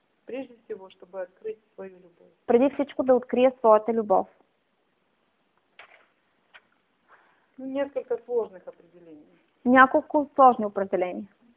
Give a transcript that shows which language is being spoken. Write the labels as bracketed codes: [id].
[ru] Прежде всего, чтобы открыть свою любовь. [bg] Преди всичко да открия своята любов. [ru] Ну, несколько сложных определений. [bg] Няколко сложни определения.